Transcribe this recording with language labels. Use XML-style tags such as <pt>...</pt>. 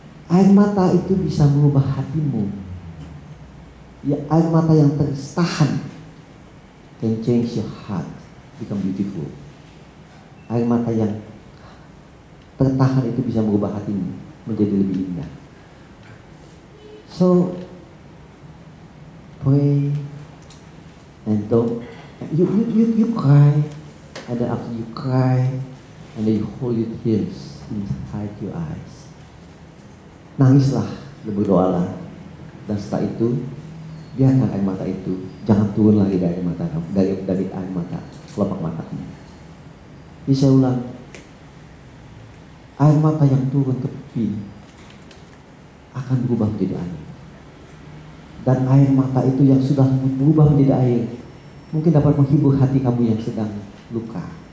<id>Air mata itu bisa mengubah hatimu. Ya, air mata yang tertahan</id> <en>can change your heart become beautiful.</en> <id>Air mata yang tertahan itu bisa mengubah hatimu menjadi lebih indah.</id> <en>So pray and don't you cry, and then after you cry and then you hold your tears inside your eyes.</en> <id>Nangislah, berdoalah, dan setelah itu biarkan air mata itu, jangan turun lagi dari air mata kelopak matamu. Jadi saya ulang, air mata yang turun ke pipi akan berubah menjadi air, dan air mata itu yang sudah berubah menjadi air mungkin dapat menghibur hati kamu yang sedang luka.</id>